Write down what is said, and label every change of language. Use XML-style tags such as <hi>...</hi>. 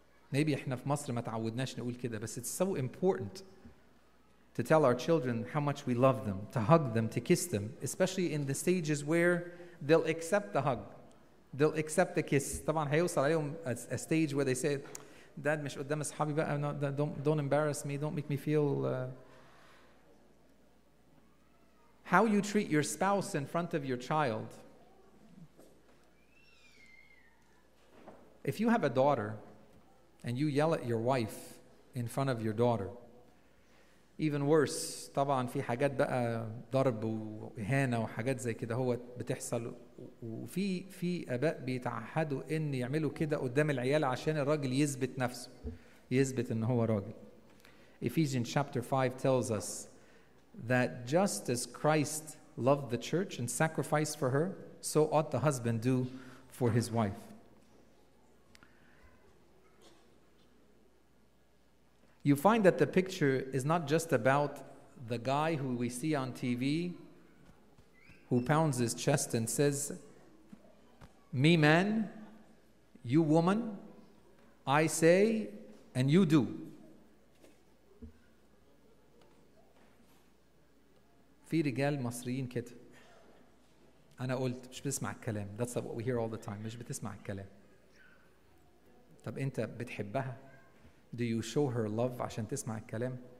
<en>Maybe</en> <ar>احنا في مصر ما تعودناش نقول كده,</ar> <en>but it's so important to tell our children how much we love them, to hug them, to kiss them, especially in the stages where they'll accept the hug, they'll accept the kiss.</en> <ar>طبعا هيوصل عليهم</ar> <en>a stage where they say, Dad,</en> <ar>مش قدام اصحابي بقى,</ar> <en>don't embarrass me, don't make me feel... How you treat your spouse in front of your child. If you have a daughter and you yell at your wife in front of your daughter, even worse,</en> <ar>طبعا في حاجات بقى ضرب وإهانة وحاجات زي كده هو بتحصل وفي في آباء بيتعهدوا إن يعملوا كده قدام العيال عشان الراجل يثبت نفسه يثبت إن هو راجل.</ar> <en>Ephesians chapter 5 tells us that just as Christ loved the church and sacrificed for her, so ought the husband do for his wife. You find that the picture is not just about the guy who we see on TV who pounds his chest and says, me man, you woman, I say, and you do.</en> <ar>في رجال مصريين كده أنا قلت مش بتسمع الكلام.</ar> <en>That's what we hear all the time.</en> <ar>مش بتسمع الكلام. طب أنت بتحبها؟</ar> <en>Do you show her love</en> <ar>عشان تسمع الكلام?</ar>